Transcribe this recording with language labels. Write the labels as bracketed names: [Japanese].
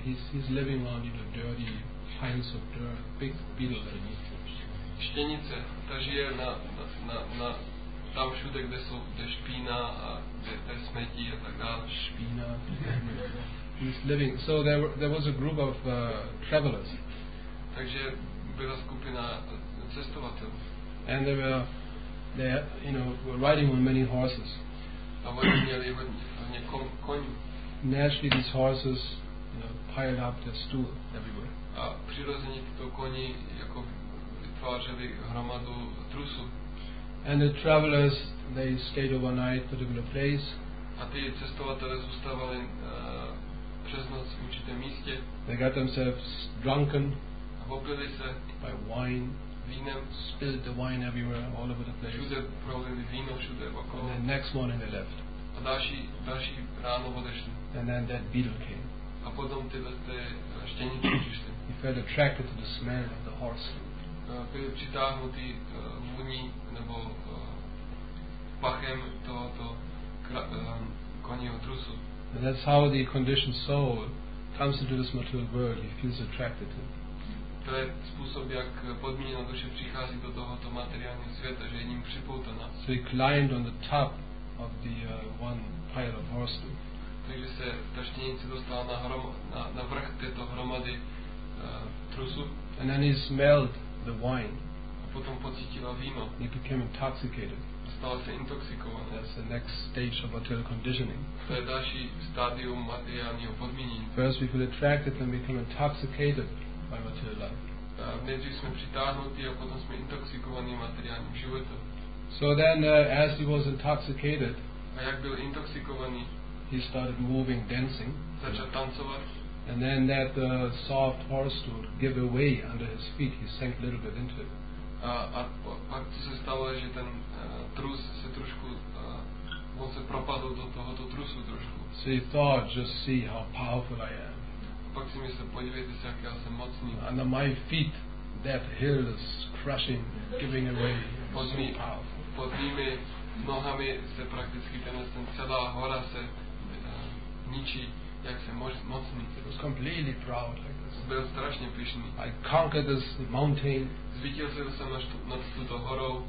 [English] He's living on the dirty piles of dirt. Big beetle underneath. [Czech] Štěnice. Ta žije na tam všude, kde jsou, kde špína a kde smetí a tak dále. [English] Špína. He's living. So there was a group of travelers. [Czech] Takže byla skupina cestovatelů. [English] And they were riding on many horses. [Czech] A oni měli hodně koní. [English] Naturally, these horses, piled up their stool everywhere. [Czech] A přirozeně tyto koni jako vytvářeli hromadu trusu. [English] And the travelers, they stayed overnight at a particular place. [Czech] A ty cestovatelé zůstávali přes noc v určitém místě. [English] They got themselves drunken. [Czech] A opili se. [English] By wine. [Czech] Vínem. [English] Spilled the wine everywhere, all over the place. [Czech] Všude prolili víno, všude okolo. [English] And then next morning they left. [Czech] A další ráno odešli. [English] And then that beetle came. [Czech] A potom ty štěníci přišli. [English] He felt attracted to the smell of the horse. [Czech] Byl přitáhnutý vůní nebo pachem tohoto koního trusu. [English] And that's how the conditioned soul comes into this material world. He feels attracted to it. [Czech] To je způsob, jak podmíněna duše přichází do tohoto materiálního světa, že je ním připoutaná. [English] So he climbed on the top of the one pile of horse poop. [Czech] Takže se ta štěnice dostala na vrch této hromady trusu. [English] And then he smelled the wine. [Czech] A potom pocítila víno. [English] He became intoxicated. [Czech] Stal se intoxikovaný. [English] That's the next stage of material conditioning. [Czech] To je další stádium materiálního podmínění. [English] First we feel attracted and become intoxicated by material life. [Czech] Nejdřív jsme přitáhnutí a potom jsme intoxikovaní materiálním životem. [English] So then as he was intoxicated, [Czech] a jak byl intoxikovaný, [English] he started moving, dancing. [Czech] Začal tancovat. [English] And then that soft horse stool gave away under his feet. He sank a little bit into it. [Czech] A pak to se stalo, že ten trus se trošku, on se propadl do tohoto trusu trošku. [English] So he thought, just see how powerful I am. [Czech] A pak si myslel, podívejte se, jak já jsem mocný. [English] Under my feet, that hill is crushing, giving away. [Czech] Pod mými nohami se prakticky ten celá hora se ničí, jak jsem mocný. [English] He was completely proud like this. [Czech] Byl strašně pyšný. [English] I conquered this mountain. [Czech] Zvítězil jsem nad tuto horou.